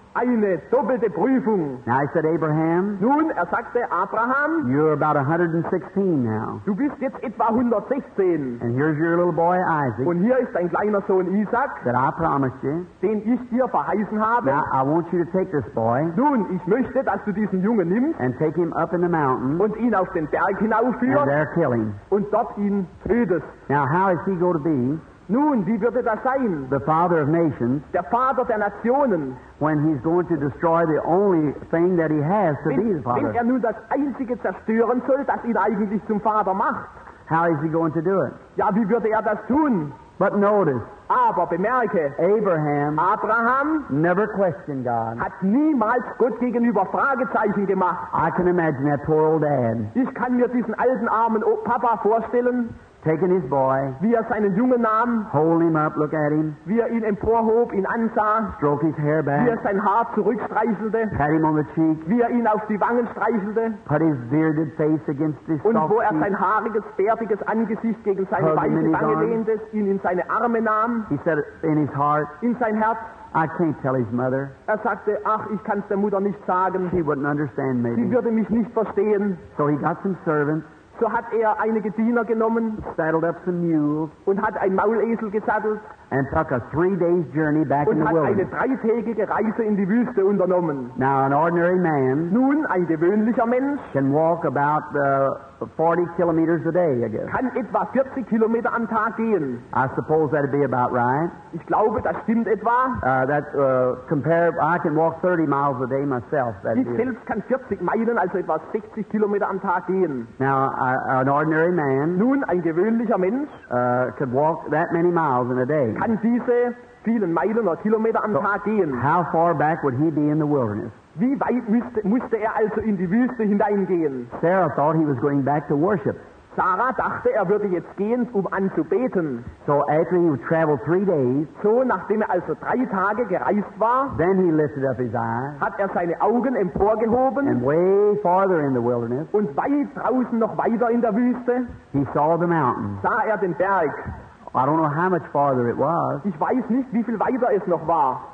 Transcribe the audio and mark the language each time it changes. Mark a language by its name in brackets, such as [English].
[German] Eine doppelte Prüfung. [English] Now I said Abraham. [German] Nun, sagte Abraham. [English] You're about 116 now. [German] Du bist jetzt etwa 116. [English] And here's your little boy Isaac. [German] Und hier ist dein kleiner Sohn Isaac. [English] That I promised you. [German] Den ich dir verheißen habe. [English] Now I want you to take this boy. [German] Nun, ich möchte, dass du diesen Jungen nimmst. [English] And take him up in the mountain. [German] Und ihn auf den Berg hinaufführst. [English] And there kill him. [German] Und dort ihn tötest. [English] Now how is he going to be? [German] Nun, wie wird das sein? [English] The father of nations. [German] Der Vater der Nationen. [English] When he's going to destroy the only thing that he has to be his father. [German] Wenn nun das einzige zerstören soll, das ihn eigentlich zum Vater macht. [English] How is he going to do it? [German] Ja, wie wird das tun? [English] But notice. [German] Aber bemerke. [English] Abraham never questioned God. [German] Hat niemals Gott gegenüber Fragezeichen gemacht. [English] I can imagine that poor old dad. [German] Ich kann mir diesen alten armen Papa vorstellen. [English] Taking his boy, [German] wie seinen Jungen nahm, [English] holding him up, look at him, [German] wie ihn emporhob, ihn ansah, [English] stroke his hair back, [German] wie sein Haar zurückstreichelte, [English] pat him on the cheek, [German] wie ihn auf die Wangen streichelte, [English] put his bearded face against his soft [German] und wo sein haariges, bärtiges Angesicht gegen seine weiße Wange lehnte, ihn in seine Arme nahm, [English] he said in his heart, [German] in sein Herz, [English] I can't tell his mother. [German] Sagte, ach, ich kann's der Mutter nicht sagen. [English] She wouldn't understand me. [German] Sie würde mich nicht verstehen. [English] So he got some servants. [German] So hat einige Diener genommen, [English] saddled up some mules, [German] und hat ein Maulesel gesattelt, [English] and took a 3 days journey back [German] in [English] the wilderness. [German] Und hat eine dreitägige Reise in die Wüste unternommen. [English] Now an ordinary man, [German] nun ein gewöhnlicher Mensch, [English] can walk about 40 kilometers a day, I guess. [German] Kann etwa 40 Kilometer am Tag gehen. [English] I suppose that'd be about right. [German] Ich glaube, das stimmt etwa. [English] I can walk 30 miles a day myself. [German] Ich selbst kann 40 Meilen, also etwa 60 Kilometer am Tag gehen. [English] Now, an ordinary man, [German] nun, ein gewöhnlicher Mensch, [English] could walk that many miles in a day. [German] Kann diese vielen Meilen oder Kilometer am Tag gehen. [English] How far back would he be in the wilderness? [German] Wie weit musste also in die Wüste hineingehen? [English] Sarah thought he was going back to worship. [German] Sarah dachte, würde jetzt gehen, anzubeten. [English] So after he traveled 3 days, [German] so nachdem also 3 Tage gereist war, [English] then he lifted up his eyes, [German] hat seine Augen emporgehoben, [English] and way farther in the wilderness, [German] und weit draußen noch weiter in der Wüste, [English] he saw the mountain, [German] sah den Berg. [English] I don't know how much farther it was. [German] Ich weiß nicht, wie viel weiter es noch war.